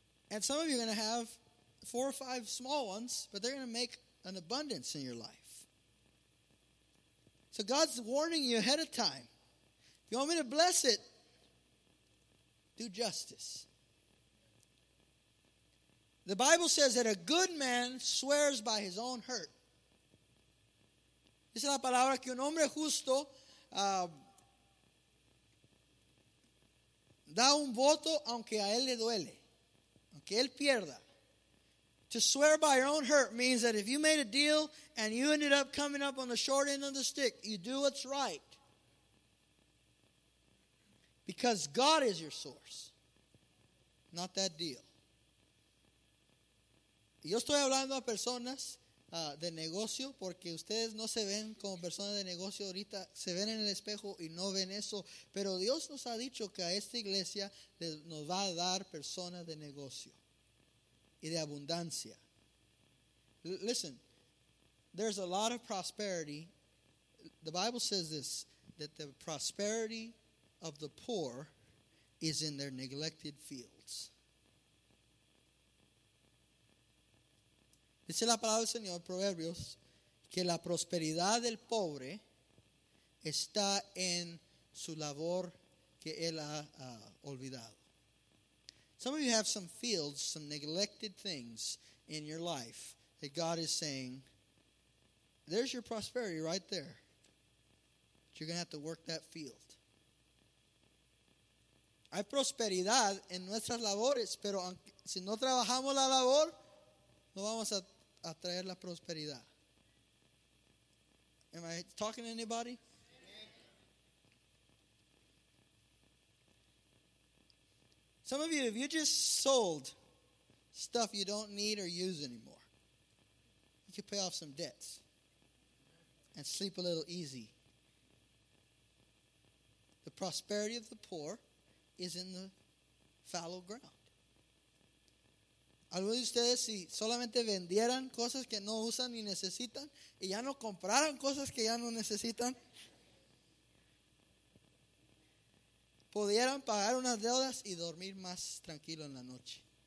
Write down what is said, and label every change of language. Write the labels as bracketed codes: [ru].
[en] And some of you are going to have four or five small ones, but they're going to make an abundance in your life. So God's warning you ahead of time. If you want me to bless it, do justice. The Bible says that a good man swears by his own hurt. [es] Dice la palabra que un hombre justo da un voto aunque a él le duele, aunque él pierda. [en] To swear by your own hurt means that if you made a deal and you ended up coming up on the short end of the stick, you do what's right. Because God is your source, not that deal. [es] Yo estoy hablando a personas de negocio porque ustedes no se ven como personas de negocio ahorita. Se ven en el espejo y no ven eso. Pero Dios nos ha dicho que a esta iglesia nos va a dar personas de negocio y de abundancia. [en] Listen, there's a lot of prosperity. The Bible says this, that the prosperity of the poor is in their neglected field. [es] Dice la palabra del Señor, Proverbios, que la prosperidad del pobre está en su labor que él ha olvidado. [en] Some of you have some fields, some neglected things in your life that God is saying, there's your prosperity right there. But you're going to have to work that field. [es] Hay prosperidad en nuestras labores, pero si no trabajamos la labor, no vamos a atraer la prosperidad. [en] Am I talking to anybody? Amen. Some of you, if you just sold stuff you don't need or use anymore, you could pay off some debts and sleep a little easy. The prosperity of the poor is in the fallow ground. [es] Algunos de ustedes, si solamente vendieran cosas que no usan ni necesitan, y ya no compraran cosas que ya no necesitan, pudieran pagar unas deudas y dormir más tranquilo en la noche.